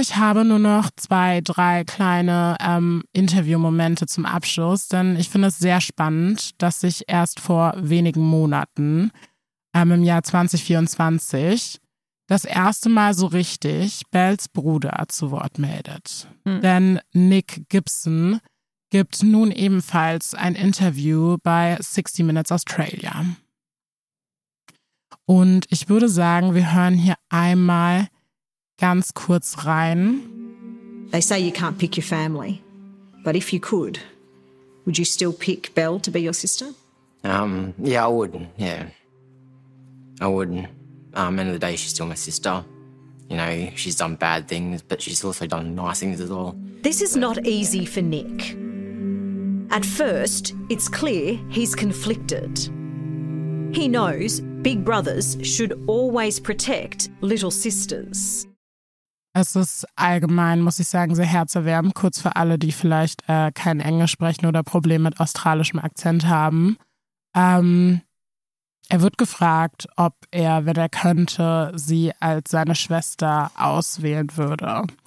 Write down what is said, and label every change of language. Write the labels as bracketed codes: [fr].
[de] Ich habe nur noch 2, 3 kleine Interviewmomente zum Abschluss, denn ich finde es sehr spannend, dass sich erst vor wenigen Monaten, im Jahr 2024, das erste Mal so richtig Bells Bruder zu Wort meldet. Hm. Denn Nick Gibson gibt nun ebenfalls ein Interview bei 60 Minutes Australia. Und ich würde sagen, wir hören hier einmal ganz kurz rein. [en] They say you can't pick your family, but if you could, would you still pick Belle to be your sister? Yeah, I would. Yeah, I would. End of the day, she's still my sister. You know, she's done bad things, but she's also done nice things as well. This is not easy for Nick. At first, it's clear he's conflicted. He knows big brothers should always protect little sisters. [de] Es ist allgemein, muss ich sagen, sehr herzerwärmend. Kurz für alle, die vielleicht kein Englisch sprechen oder Probleme mit australischem Akzent haben. Er wird gefragt, ob er, wenn er könnte, sie als seine Schwester auswählen würde.